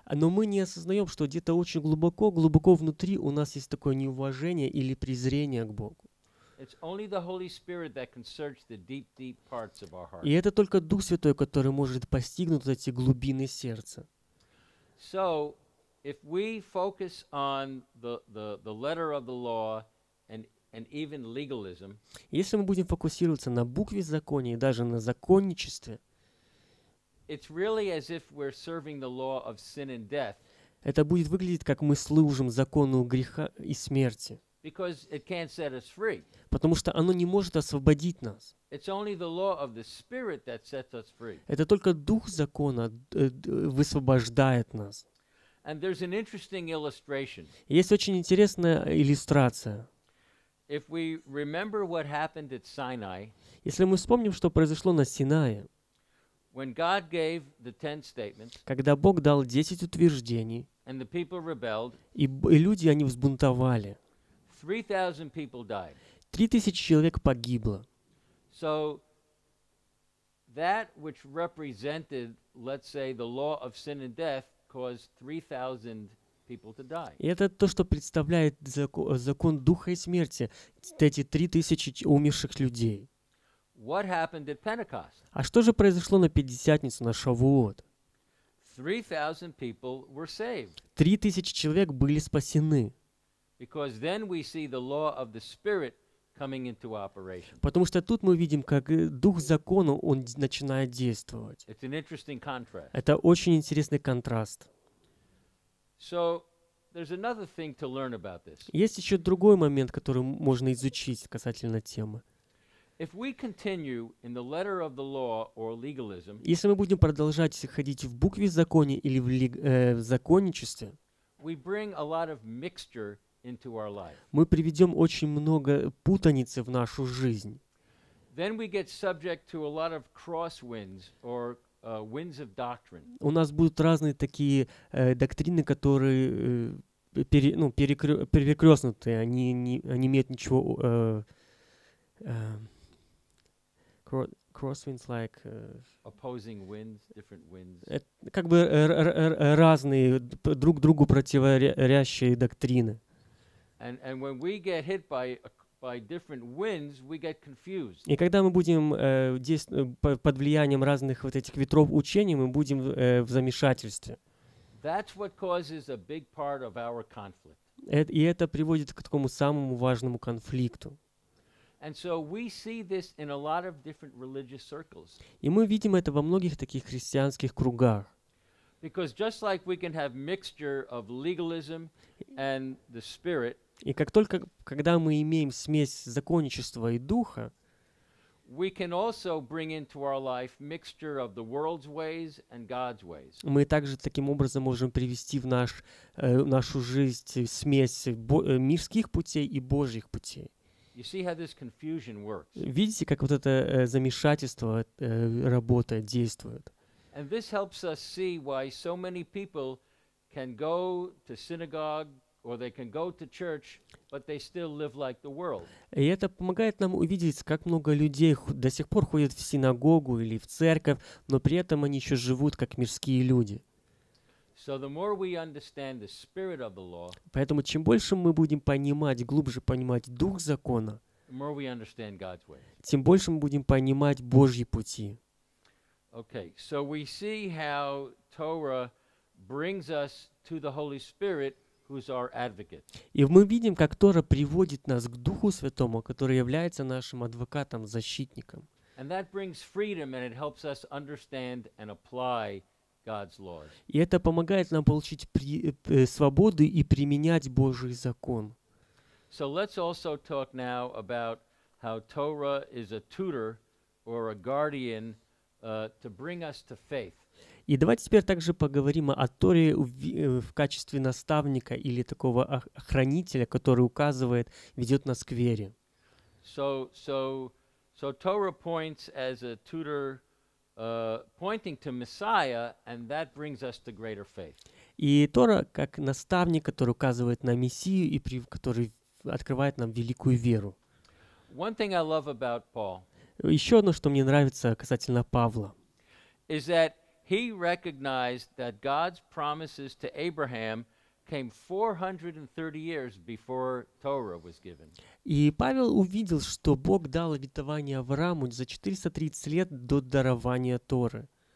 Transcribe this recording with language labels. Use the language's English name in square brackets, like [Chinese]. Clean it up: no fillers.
[Russian] Но мы не осознаем, что где-то очень глубоко внутри у нас есть такое неуважение или презрение к Богу. [English] It's only the Holy Spirit that can search the deep parts of our heart. [Russian] И это только Дух Святой, который может постигнуть эти глубины сердца. [English] So, if we focus on the letter of the law and even legalism, [Russian] если мы будем фокусироваться на букве закона и даже на законничестве, [English] it's really as if we're serving the law of sin and death. [Russian] Это будет выглядеть, как мы служим закону греха и смерти. [English] Because it can't set us free. [Russian] Потому что оно не может освободить нас. [English] It's only the law of the Spirit that sets us free. [Russian] Это только дух закона высвобождает нас. [English] And there's an interesting illustration. [Russian] Есть очень интересная иллюстрация. [English] If we remember what happened at Sinai, [Russian] если мы вспомним, что произошло на Синае, [English] when God gave the 10 statements, [Russian] когда Бог дал 10 утверждений, [English] and the people rebelled, [Russian] и люди, они взбунтовали, [English] 3,000 people died. [Russian] 3,000 человек погибло. [English] So that which represented, let's say, the law of sin and death caused 3,000 people to die. [Russian] И это то, что представляет закон духа и смерти, эти 3,000 умерших людей. [English] What happened at Pentecost? [Russian] А что же произошло на Пятидесятницу, на Шавуот? [English] 3,000 people were saved. [Russian] 3,000 человек были спасены. [English] Because then we see the law of the Spirit coming into operation. [Russian] Потому что тут мы видим, как дух закона, он начинает действовать. [English] It's an interesting contrast. [Russian] Это очень интересный контраст. [English] So there's another thing to learn about this. [Russian] Есть еще другой момент, который можно изучить касательно темы. [English] If we continue in the letter of the law or legalism, [Russian] если мы будем продолжать ходить в букве закона или в законничестве, [English] we bring a lot of mixture into our life. [Russian] Мы приведем очень много путаницы в нашу жизнь. [English] Then we get subject to a lot of crosswinds or winds of doctrine. [Russian] У нас будут разные такие доктрины, которые перекрестнуты, они не имеют ничего [English] crosswinds like opposing winds, different winds. [Russian] Как бы разные друг другу противорящие доктрины. [English] And when we get hit by different winds, we get confused. [Russian] И когда мы будем под влиянием разных вот этих ветров учений, мы будем в замешательстве. [English] That's what causes a big part of our conflict. [Russian] И это приводит к такому самому важному конфликту. [English] And so we see this in a lot of different religious circles. [Russian] И мы видим это во многих таких христианских кругах. [English] Because just like we can have mixture of legalism and the spirit. [Russian] И как только, когда мы имеем смесь законничества и духа, [English] we can also bring into our life mixture of the world's ways and God's ways. [Russian] Мы также таким образом можем привести в нашу жизнь смесь мирских путей и Божьих путей. [English] You see how this confusion works. [Russian] Видите, как вот это замешательство работает, действует. [English] And this helps us see why so many people can go to synagogue. Or they can go to church, but they still live like the world. [Russian] И это помогает нам увидеть, как много людей до сих пор ходят в синагогу или в церковь, но при этом они еще живут как мирские люди. [English] So the more we understand the spirit of the law, [Russian] поэтому чем больше мы будем понимать, глубже понимать дух закона, [English] the more we understand God's ways. [Russian] Тем больше мы будем понимать Божьи пути. [English] Okay, so we see how Torah brings us to the Holy Spirit. Who's our advocate? [Russian] И мы видим, как Тора приводит нас к Духу Святому, который является нашим адвокатом, защитником. [English] And that brings freedom, and it helps us understand and apply God's laws. [Russian] И это помогает нам получить свободу и применять Божий закон. [English] So let's also talk now about how Torah is a tutor or a guardian to bring us to faith. [Russian] И давайте теперь также поговорим о Торе в качестве наставника или такого хранителя, который указывает, ведет нас к вере. [English] So Torah points as a tutor, pointing to Messiah, and that brings us to greater faith. [Russian] И Тора как наставник, который указывает на Мессию и который открывает нам великую веру. [English] One thing I love about Paul. [Russian] Еще одно, что мне нравится касательно Павла. [English] Is that he recognized that God's promises to Abraham came 430 years before Torah was given. [Russian] И Павел увидел, что Бог дал обетование Аврааму за 430 лет до дарования Торы.